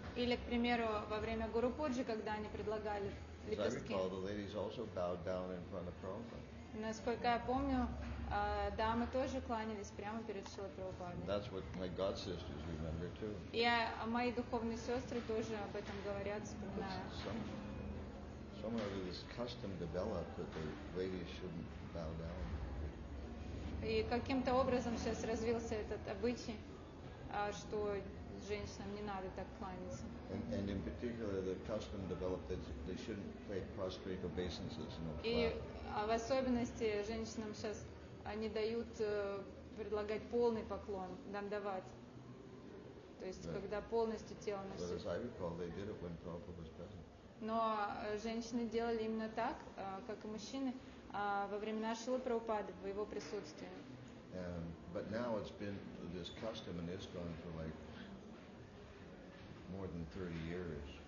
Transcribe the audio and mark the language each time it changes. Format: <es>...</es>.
<ru>Или, к примеру, во время Гуру Пуджи, когда они предлагали лепестки.</ru> <en>As I recall, the ladies also bowed down in front of Prabhupada.</en> <ru>Насколько я помню, дамы тоже кланялись прямо перед Шрилой Прабхупадой.</ru> <en>That's what my god sisters remember too.</en> <ru>И мои духовные сестры тоже об этом говорят, вспоминая.</ru> <en>Somehow this custom developed that the ladies shouldn't bow down.</en> <ru>И каким-то образом сейчас развился этот обычай, что женщинам не надо так кланяться.</ru> <en>And in particular, the custom developed that they shouldn't pay prostrate obeisances. No.</en> <ru>И в особенности женщинам сейчас они дают предлагать полный поклон, дандавать. То есть right. Когда полностью тело носит.</ru> <en>But as I recall, they did it when Prabhupada was present.</en> <ru>Но женщины делали именно так, как и мужчины, во времена Шрилы Прабхупады, в его присутствии.</ru> <en>But now it's been this custom and it's gone for like more than 30 years.</en>